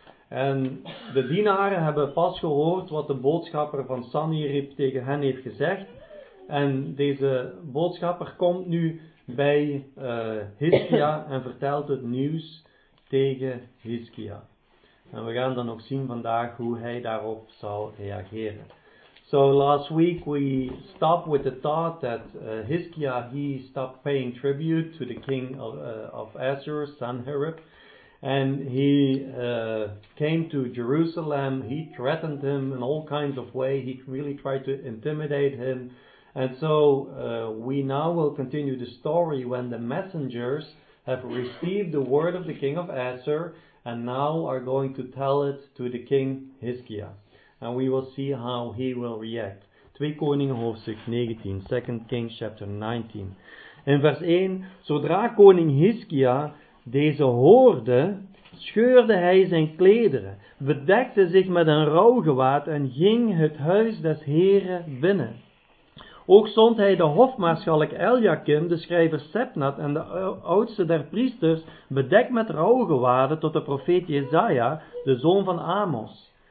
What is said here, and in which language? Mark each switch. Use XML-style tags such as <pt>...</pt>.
<nl>En de dienaren hebben pas gehoord wat de boodschapper van Sanherib tegen hen heeft gezegd. En deze boodschapper komt nu bij Hizkia en vertelt het nieuws tegen Hizkia. En we gaan dan ook zien vandaag hoe hij daarop zal reageren.</nl> <en>So last week we stopped with the thought that Hizkia, he stopped paying tribute to the king of Assur, Sanherib. And he came to Jerusalem, he threatened him in all kinds of ways, he really tried to intimidate him. And so we now will continue the story when the messengers have received the word of the king of Assur and now are going to tell it to the king Hizkia. And we will see how he will react.</en> <nl>2 Koningen hoofdstuk 19,</nl> <en>2 Kings chapter 19.</en> <nl>In vers 1, zodra koning Hizkia deze hoorde, scheurde hij zijn klederen, bedekte zich met een rouwgewaad en ging het huis des Heren binnen. Ook zond hij de hofmaarschalk Eliakim, de schrijver Sepnat en de oudste der priesters, bedekt met rouwgewaden tot de profeet Jesaja, de zoon van Amos.</nl>